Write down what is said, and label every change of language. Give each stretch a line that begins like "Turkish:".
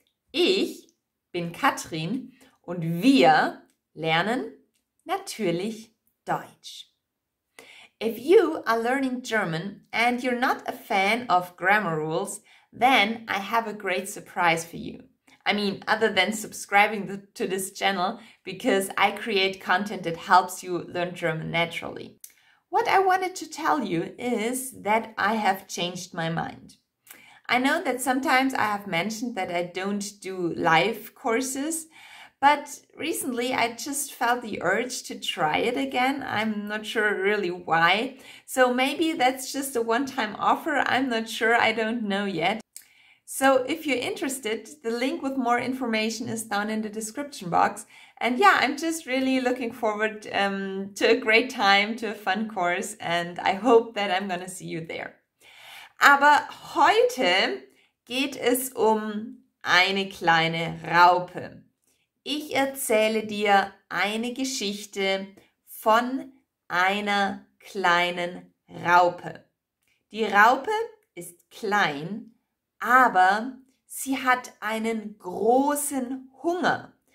German: Ich bin Katrin und wir lernen natürlich Deutsch.
English: If you are learning German and you're not a fan of grammar rules, then I have a great surprise for you. I mean, other than subscribing to this channel, because I create content that helps you learn German naturally. What I wanted to tell you is that I have changed my mind. I know that sometimes I have mentioned that I don't do live courses, but recently I just felt the urge to try it again. I'm not sure really why. So maybe that's just a one-time offer. I'm not sure. I don't know yet. So if you're interested, the link with more information is down in the description box. And yeah, I'm just really looking forward to a great time, to a fun course, and I hope that I'm gonna see you there.
German: Aber heute geht es um eine kleine Raupe. Ich erzähle dir eine Geschichte von einer kleinen Raupe. Die Raupe ist klein, aber sie hat einen großen Hunger.